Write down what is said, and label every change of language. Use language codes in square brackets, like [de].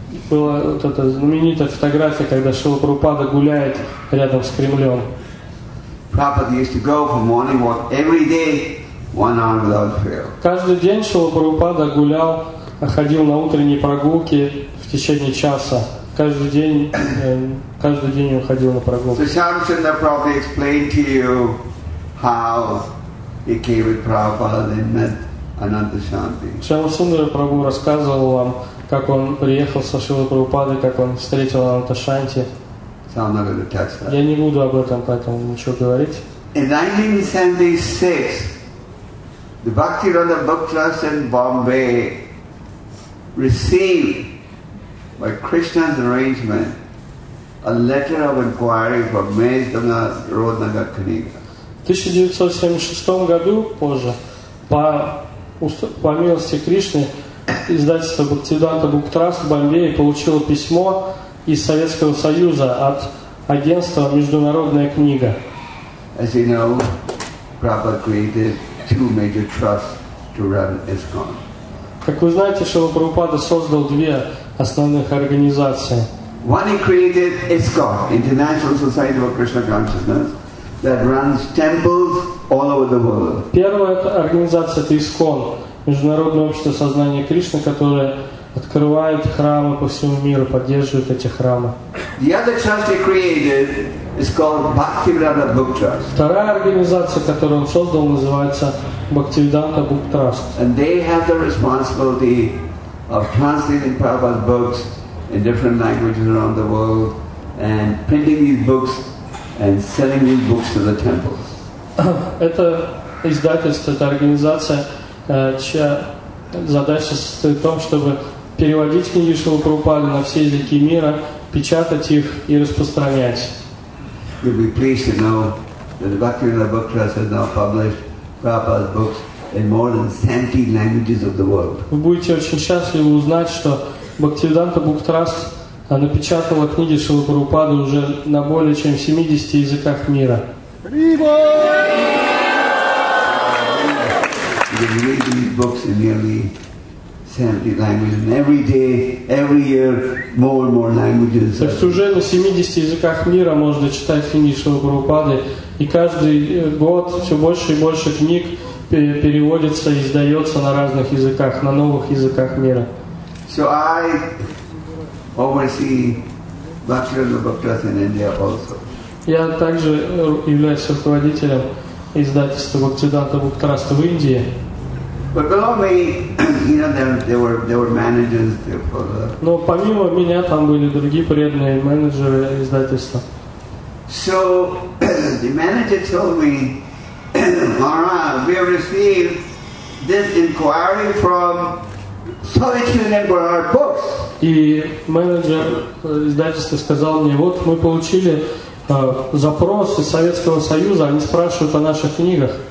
[ru] Была вот эта знаменитая фотография, когда Шрила Прабхупада гуляет рядом с Кремлем. [en] Prabhupada used to go for morning walk every day. One hour without fail. [ru] Каждый день Шрила Прабхупада гулял, ходил на утренние прогулки в течение часа. Каждый день он ходил на прогулки. [en] So Shamsun probably explained to you how he came with Prabhupada and met Ananda Shanti. [ru] Шамасундара Прабху рассказывал вам, как он приехал со Шрилой Прабхупадой, как он встретил Ананда Шанти. [en] So I'm not going to touch that. [ru] Я не буду об этом поэтому ничего говорить. [en] In 1976, the Bhakti Radha Book Trust in Bombay received, by Krishna's arrangement, a letter of inquiry from Mahesh Rodnagar Kaniga. [ru] В 1976 году, позже, по по милости Кришны, издательство Бхактивиданта Буктраст в Бомбее получило письмо из Советского Союза от агентства «Международная книга». [en] As you know, Prabhupada created two major trusts to run ISKCON. [ru] Как вы знаете, Шрила Прабхупада создал две основных организации. [en] One he created ISKCON, International Society for Krishna Consciousness, that runs temples all over the world. [ru] Первая организация — это ISKCON, Международное общество сознания Кришны, которое открывает храмы по всему миру, поддерживает эти храмы. [en] The other trust he created is called Bhaktivedanta Book Trust. [ru] Вторая организация, которую он создал, называется Bhaktivedanta Book Trust. [en] And they have the responsibility of translating Prabhupada's books in different languages around the world and printing these books and selling these books to the temples. [ru] Это издательство, это организация, чья задача состоит в том, чтобы переводить книги Шрилы Прабхупады на все языки мира, печатать их и распространять. [en] You'll be pleased to know that the Bhaktivedanta Book Trust has now published Prabhupada's books in more than 70 languages of the world. [ru] Вы будете очень счастливы узнать, что Бхактивиданта Book Trust напечатала книги Шрилы Прабхупады уже на более чем 70 языках мира. [en] You can read these books in nearly 70 languages, and every day, every year, more and more languages. [ru] То есть уже на 70 языках мира можно читать книги Шрилы Прабхупады, и каждый год все больше и больше книг переводится и издается на разных языках, на новых языках мира. [en] So I oversee Bhaktivedanta Book Trust in India also. [ru] Я также являюсь руководителем издательства Бхактивиданта Book Trust в Индии. [en] But below me, you know, there were managers there for the. [ru] Но помимо меня там были другие преданные менеджеры издательства. [en] So the manager told me, Maharaj, we have received this inquiry from Solicitation for our books. [ru] И менеджер издательства сказал мне: вот мы получили запрос из Советского Союза, они спрашивают о наших книгах.